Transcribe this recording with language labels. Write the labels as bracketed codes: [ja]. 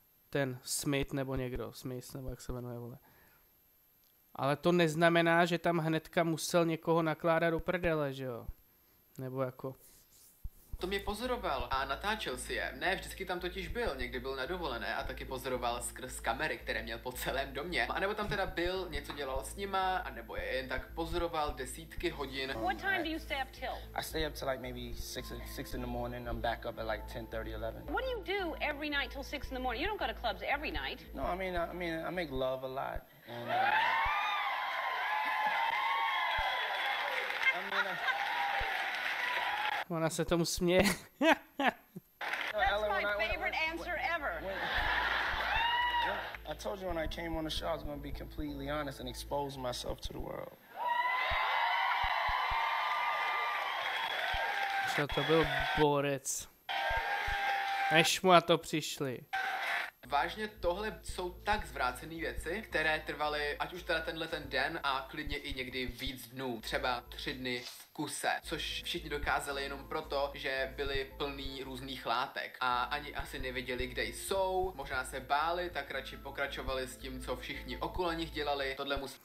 [cs] Ten Smith nebo někdo, Smith nebo jak se jmenuje, vole. Ale to neznamená, že tam hnedka musel někoho nakládat do prdele, že jo. Nebo jako... To mě pozoroval a natáčel si je. Ne, vždycky tam totiž byl, někdy byl na dovolené a taky pozoroval skrz kamery, které měl po celém domě. A nebo tam teda byl, něco dělal s nima, a nebo je jen tak pozoroval desítky hodin. [en] What time do you stay up till? I stay up till like maybe 6 in the morning. I'm back up at like 10:30, 11. What do you do every night till 6 in the morning? You don't go to clubs every night. No, I mean I make love a lot. And, [cs] Ona se tomu směje. [en] That's my favorite answer ever. I told you when I came on the show I was going to be completely honest and expose myself to the world. [cs] Co to byl borec? Než mu na to přišli. V vážně tohle jsou tak zvrácené věci, které trvaly ať už teda tenhle ten den a klidně i někdy víc dnů, třeba 3 dny v kuse, což všichni dokázali jenom proto, že byli plní různých látek a ani asi nevěděli, kde jsou, možná se báli, tak radši pokračovali s tím, co všichni okolo nich dělali, tohle musí...